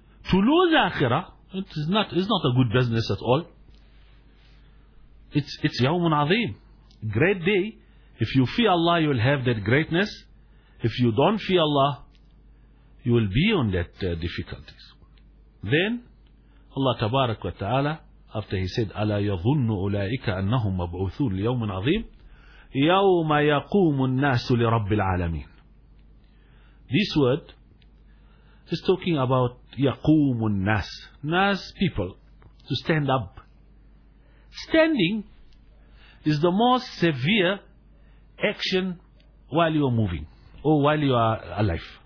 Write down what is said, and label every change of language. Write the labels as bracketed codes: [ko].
[en] To lose akhirah, it's not a good business at all. It's [ar] يوم عظيم, [en] great day. If you fear Allah, you will have that greatness. If you don't fear Allah, you will be on that difficulties. Then Allah tabarak wa ta'ala, after he said [ar] أَلَا يَظُنُّ أُولَٰئِكَ أَنَّهُمْ مَبْعُوثُونَ لِيَوْمٍ عَظِيمٍ يَوْمَ يَقُومُ النَّاسُ لِرَبِّ الْعَالَمِينَ. [en] This word is talking about [ar] يَقُومُ النَّاسُ, [en] nas, people, to stand up. Standing is the most severe action while you are moving or while you are alive.